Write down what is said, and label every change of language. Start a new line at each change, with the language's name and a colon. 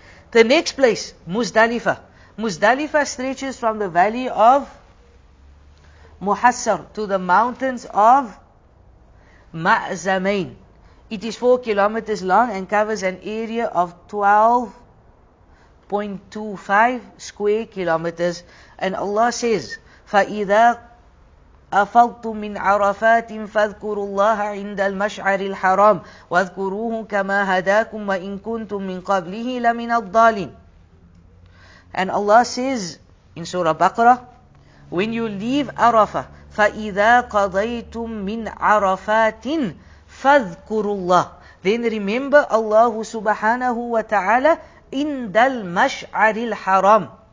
English: The next place, Muzdalifah. Muzdalifah stretches from the valley of Muhassar to the mountains of Ma'zamain. It is 4 kilometers long and covers an area of 12.25 square kilometers. And Allah says,
Arabic: فَإِذَا أَفَضْتُم مِّنْ عَرَفَاتٍ فَاذْكُرُوا اللَّهَ عِنْدَ الْمَشْعَرِ الْحَرَامِ وَاذْكُرُوهُ كَمَا هَدَاكُمْ وَإِنْ كُنْتُم مِّنْ قَبْلِهِ لَمِنَ الضَّالِينَ.
English: And Allah says in Surah Baqarah, when you leave Arafah,
Arabic: فَإِذَا قَضَيْتُم مِّنْ عَرَفَاتٍ فَاذْكُرُوا اللَّهِ.
English: Then remember Allah subhanahu wa ta'ala
Arabic: عِنْدَ الْمَشْعَرِ الْحَرَامِ.